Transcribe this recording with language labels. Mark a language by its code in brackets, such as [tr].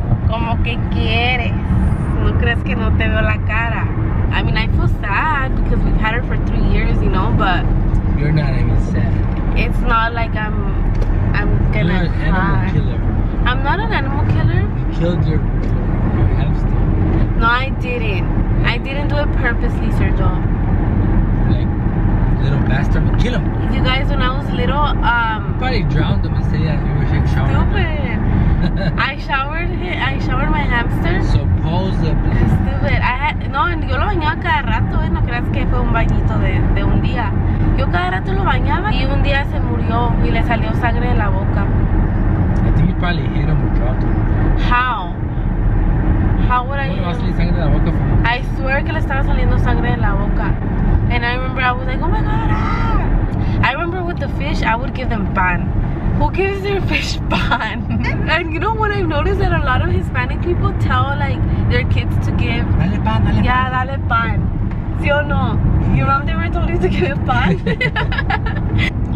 [es] ¿No crees que no te veo la cara? [en] I mean, I feel sad because we've had her for 3 years, you know, but... You're not even sad. It's not like I'm gonna cry. I'm not an animal killer. You killed your hamster. No, I didn't. I didn't do it purposely, Sergio. Little bastard, kill him. You guys, when I was little, you probably drowned him and said, yeah, you were showering. Stupid. I showered my hamster. Supposedly. Stupid. [es] Yo lo bañaba cada rato, no creas que fue un bañito de un día. Yo cada rato lo bañaba y un día se murió y le salió sangre de la boca. [en] I think you probably hit him or dropped him. How would I hit him? [es] Sangre de la boca [en] from him? I swear [es] que le estaba saliendo sangre de la boca. [en] And I remember I was like, oh my god, ah. I remember with the fish, I would give them pan. Who gives their fish pan? And you know what I've noticed? That a lot of Hispanic people tell like their kids to give. [es] Dale pan, dale pan. Yeah, dale pan. Si o no? [en] Your mom never told you to give pan?